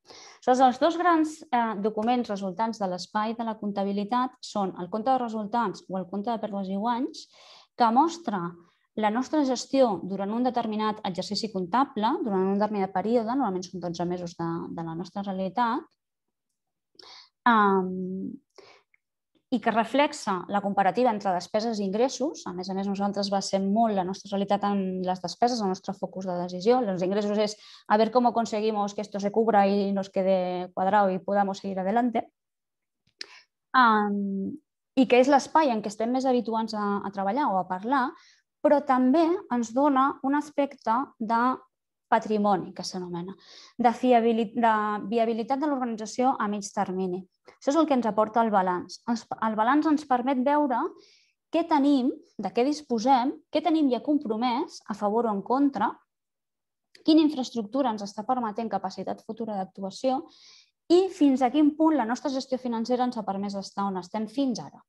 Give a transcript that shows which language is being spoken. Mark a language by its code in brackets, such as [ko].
[ca] Aleshores, els dos grans documents resultants de l'espai de la comptabilitat són el compte de resultats o el compte de pèrdues i guanys, que mostra la nostra gestió durant un determinat exercici comptable, durant un determinat període, normalment són 12 mesos de la nostra realitat, i que reflexa la comparativa entre despeses i ingressos. A més, nosaltres basem molt la nostra realitat en les despeses, el nostre focus de decisió. Els ingressos és [es] a ver cómo conseguimos que esto se cubra y nos quede cuadrado y podamos seguir adelante. [ca] I que és l'espai en què estem més habituats a treballar o a parlar, però també ens dona un aspecte de patrimoni, que s'anomena, de viabilitat de l'organització a mig termini. Això és el que ens aporta el balanç. El balanç ens permet veure què tenim, de què disposem, què tenim ja compromès, a favor o en contra, quina infraestructura ens està permetent capacitat futura d'actuació i fins a quin punt la nostra gestió financera ens ha permès estar on estem fins ara.